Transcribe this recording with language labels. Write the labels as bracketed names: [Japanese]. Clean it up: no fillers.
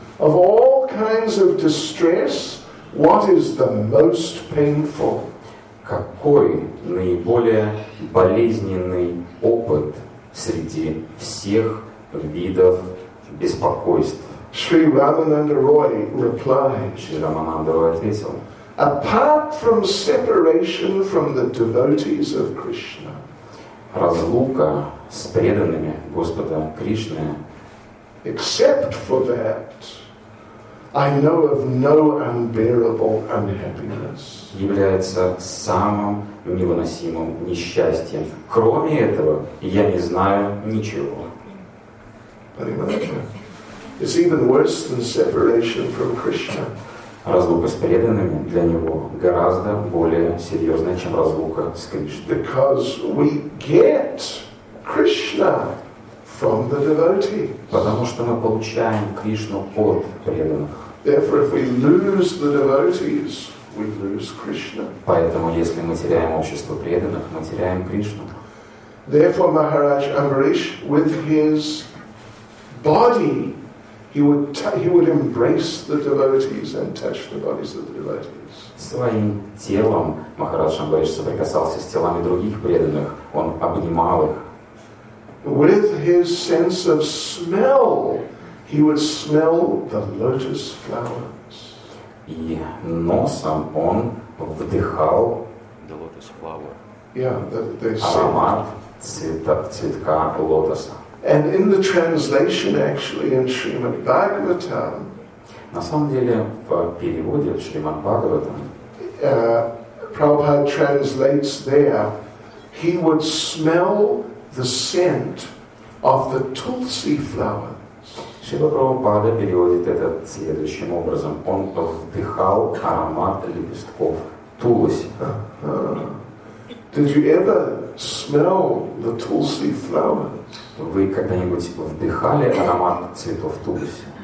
[English] Of all kinds of distress, what is the most painful? [Russian] Какой наиболее болезненный опыт среди всех видов беспокойств? [English] Shri Ramananda Roy replied. [Russian] Shri Ramananda Roy ответил. [English] Apart from separation from the devotees of Krishna. [Russian] Разлука с преданными Господа Кришны. [English] Except for that, I know of no unbearable unhappiness. [Russian] Является самым невыносимым несчастьем. Кроме этого, я не знаю ничего. [English] It's even worse than separation from Krishna. [Russian] Разлука с преданными для него гораздо более серьезная, чем разлука с Кришной. [English] Because we get Krishna from the devotees. [Russian] Потому что мы получаем Кришну от преданных. [English] Therefore, if we lose the devotees, we lose Krishna. [Russian] Поэтому, если мы теряем общество преданных, мы теряем Кришну. [English] Therefore, Maharaj Amrish with his body, he would embrace the devotees and touch the bodies of the devotees. [Russian] Своим телом Махарадж Амбариш соприкасался с телами других преданных. Он обнимал их. [English] With his sense of smell, he would smell the lotus flowers. [Russian] И носом он вдыхал [English] the lotus flower. Yeah, they [Russian] аромат цветка лотоса. [English] And in the translation, actually, in Srimad Bhagavatam, [Russian] на самом деле в переводе Шримад Бхагаватам, [English] Prabhupada translates there, he would smell the scent of the tulsi flower. [Russian] Шрила Прабхупада переводит это следующим образом: он вдыхал аромат лепестков туласи. [English] Did you ever smell the tulsi flower? [Russian] Вы когда-нибудь вдыхали аромат цветов туласи?